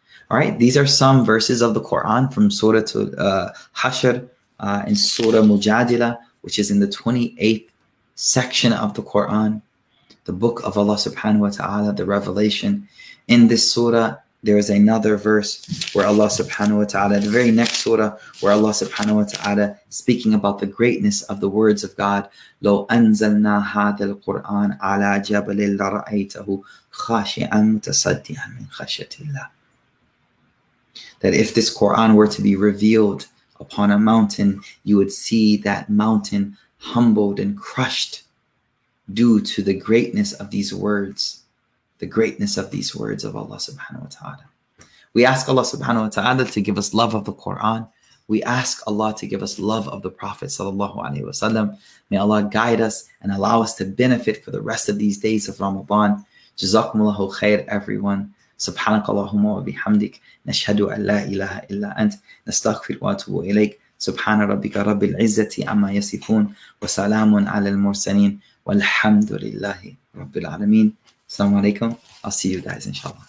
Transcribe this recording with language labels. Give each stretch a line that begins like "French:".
English: All right, these are some verses of the Quran from Surah to Hashr and Surah Mujadila, which is in the 28th section of the Quran, the book of Allah subhanahu wa ta'ala, the revelation. In this surah, there is another verse where Allah subhanahu wa ta'ala, the very next surah, where Allah subhanahu wa ta'ala speaking about the greatness of the words of God.
Arabic: لو أنزلنا هذا القرآن على جبل لرأيته خاشئا متصدعا من خشية الله.
English: That if this Quran were to be revealed upon a mountain, you would see that mountain humbled and crushed due to the greatness of these words, the greatness of these words of Allah subhanahu wa ta'ala. We ask Allah subhanahu wa ta'ala to give us love of the Quran. We ask Allah to give us love of the Prophet sallallahu alayhi wa sallam. May Allah guide us and allow us to benefit for the rest of these days of Ramadan. Jazakumullahu khair, everyone.
Arabic: سبحانك اللهم وبحمدك نشهد أن لا إله إلا أنت نستغفر واتوب إليك سبحان ربك رب العزة عما يصفون وسلام على المرسلين والحمد لله رب العالمين. السلام عليكم.
English: I'll see you guys inshallah.